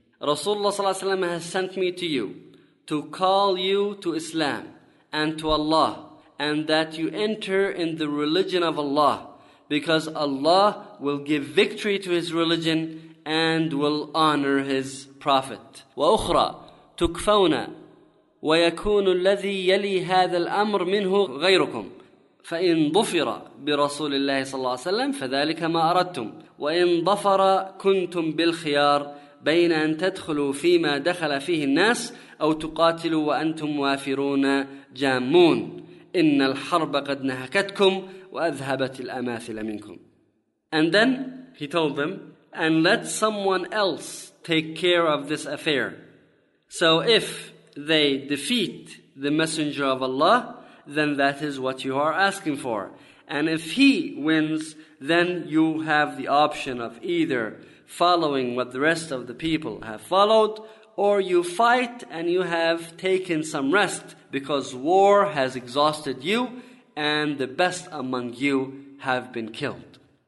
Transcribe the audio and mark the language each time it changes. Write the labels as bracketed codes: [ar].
[en] رسول الله صلى الله عليه وسلم has sent me to you to call you to Islam and to Allah, and that you enter in the religion of Allah, because Allah will give victory to his religion and will honor his prophet. [ar] وأخرى تكفون ويكون الذي يلي هذا الأمر منه غيركم فإن ضفر برسول الله صلى الله عليه وسلم فذلك ما أردتم وإن ضفر كنتم بالخيار بين أن تدخلوا فيما دخل فيه الناس أو تقاتلوا وأنتم وافرون جامون إن الحرب قد نهكتكم وأذهبت الأماثل منكم. [en] And then he told them, and let someone else take care of this affair. So if they defeat the Messenger of Allah, then that is what you are asking for. And if he wins, then you have the option of either following what the rest of the people have followed, or you fight and you have taken some rest because war has exhausted you and the best among you have been killed.